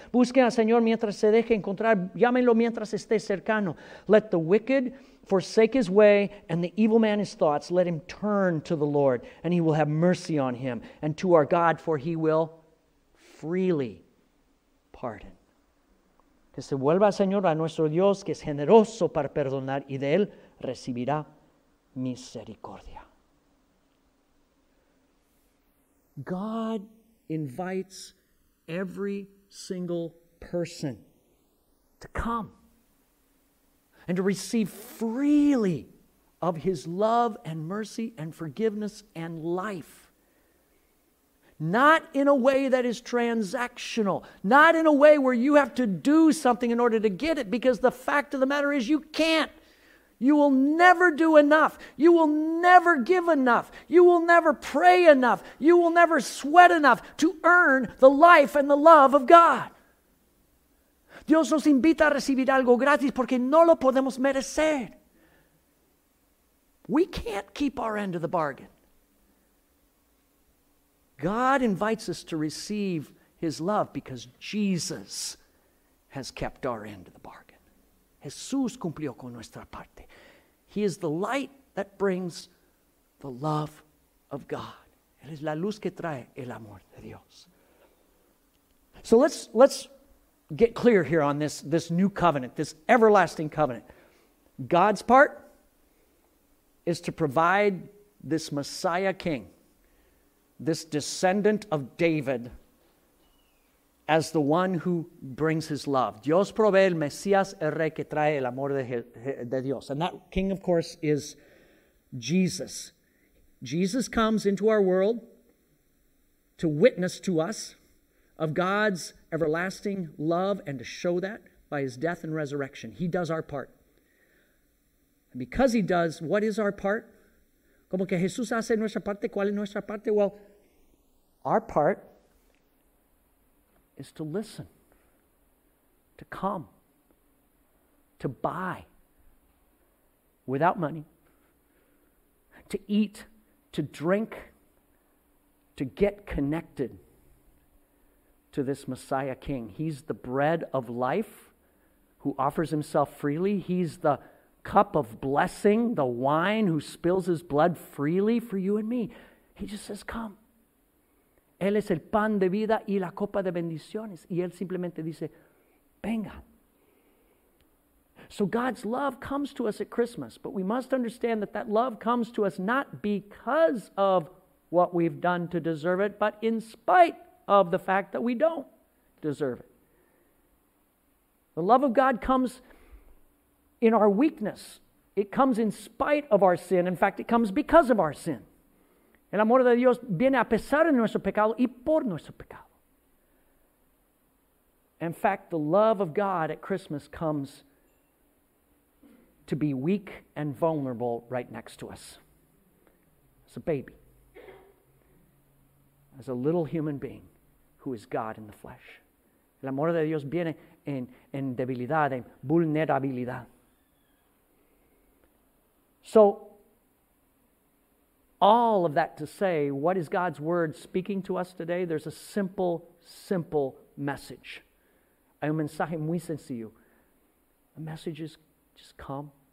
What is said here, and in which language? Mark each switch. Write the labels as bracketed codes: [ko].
[es] Busquen al Señor mientras se deje encontrar. Llámenlo mientras esté cercano. [en] Let the wicked forsake his way and the evil man his thoughts. Let him turn to the Lord and he will have mercy on him and to our God, for he will freely pardon. [es] Que se vuelva al Señor a nuestro Dios, que es generoso para perdonar, y de él recibirá misericordia. [en] God invites every single person to come and to receive freely of his love and mercy and forgiveness and life. Not in a way that is transactional, not in a way where you have to do something in order to get it, because the fact of the matter is you can't. You will never do enough. You will never give enough. You will never pray enough. You will never sweat enough to earn the life and the love of God. [es] Dios nos invita a recibir algo gratis porque no lo podemos merecer. [en] We can't keep our end of the bargain. God invites us to receive his love because Jesus has kept our end of the bargain. [es] Jesús cumplió con nuestra parte. [en] He is the light that brings the love of God. [es] Él es la luz que trae el amor de Dios. [en] So let's get clear here on this new covenant, this everlasting covenant. God's part is to provide this Messiah King, this descendant of David, as the one who brings his love. [es] Dios provee el Mesías, el Rey que trae el amor de Dios. [en] And that king, of course, is Jesus. Jesus comes into our world to witness to us of God's everlasting love and to show that by his death and resurrection. He does our part. And because he does, what is our part? [es] ¿Cómo que Jesús hace nuestra parte? ¿Cuál es nuestra parte? [en] Well, our part is to listen, to come, to buy without money, to eat, to drink, to get connected to this Messiah King. He's the bread of life who offers himself freely. He's the cup of blessing, the wine who spills his blood freely for you and me. He just says, come. [es] Él es el pan de vida y la copa de bendiciones. Y él simplemente dice, venga. [en] So God's love comes to us at Christmas, but we must understand that that love comes to us not because of what we've done to deserve it, but in spite of the fact that we don't deserve it. The love of God comes in our weakness. It comes in spite of our sin. In fact, it comes because of our sin. [es] El amor de Dios viene a pesar de nuestro pecado y por nuestro pecado. [en] In fact, the love of God at Christmas comes to be weak and vulnerable right next to us. As a baby. As a little human being who is God in the flesh. [es] El amor de Dios viene en debilidad, en vulnerabilidad. [en] So, all of that to say, what is God's word speaking to us today? There's a simple, simple message. [es] Hay un mensaje muy sencillo. [en] The message is just come.